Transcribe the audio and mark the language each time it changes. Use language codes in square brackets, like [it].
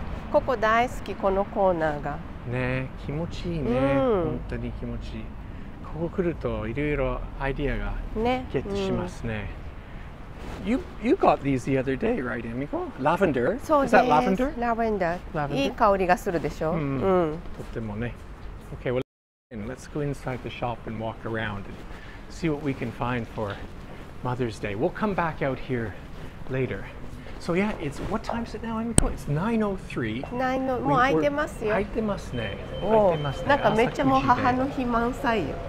[ja] ここ大好き、このコーナーが。ね、気持ちいいね。本当に気持ちいい。ここ来るといろいろアイディアがゲットしますね。 [en] You got these the other day, right, Emiko? Lavender? [ja] そうです。 [en] Is that lavender? Lavender. [ja] いい香りがするでしょ。とてもね。 [en] Okay, well, let's go inside the shop and walk around and see what we can find for Mother's Day. We'll come back out here later. So yeah, it's, what time is it now, Emiko? It's 9:03. [ja] もう空いてますよ。空いてますね。なんかめっちゃもう母の日満載よ。